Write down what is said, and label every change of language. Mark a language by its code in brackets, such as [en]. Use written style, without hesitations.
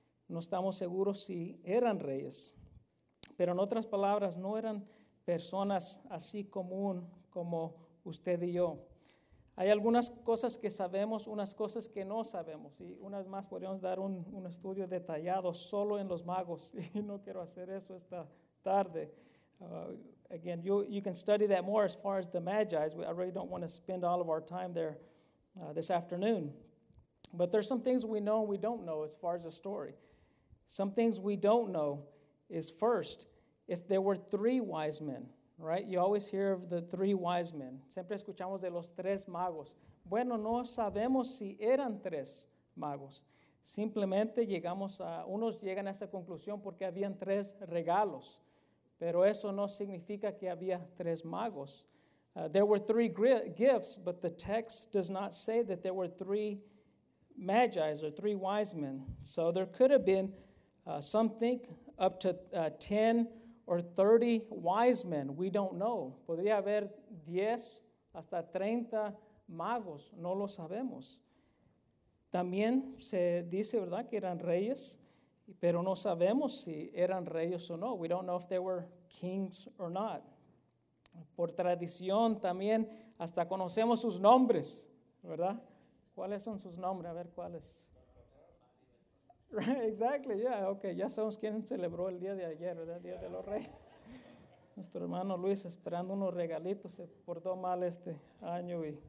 [es] No estamos seguros si eran reyes. Pero en otras palabras, no eran personas así común como usted y yo. Hay algunas cosas que sabemos, unas cosas que no sabemos. Y una vez más podríamos dar un estudio detallado solo en los magos. Y no quiero hacer eso esta tarde. [en] Again, you can study that more as far as the magi. I really don't want to spend all of our time there this afternoon. But there's some things we know and we don't know as far as the story. Some things we don't know is first, if there were three wise men. Right, you always hear of the three wise men. [es] Siempre escuchamos de los tres magos. Bueno, no sabemos si eran tres magos. Simplemente unos llegan a esa conclusión porque habían tres regalos. Pero eso no significa que había tres magos. [en] There were three gifts, but the text does not say that there were three magi or three wise men. So there could have been something up to 10 or 30 wise men, we don't know. [es] Podría haber 10 hasta 30 magos, no lo sabemos. También se dice, ¿verdad?, que eran reyes, pero no sabemos si eran reyes o no. [en] We don't know if they were kings or not. [es] Por tradición también, hasta conocemos sus nombres, ¿verdad? ¿Cuáles son sus nombres? A ver, ¿cuáles? [en] Right, exactly, yeah, okay. [es] Ya sabemos quién celebró el día de ayer, ¿verdad? El día de los reyes. Nuestro hermano Luis esperando unos regalitos, se portó mal este año.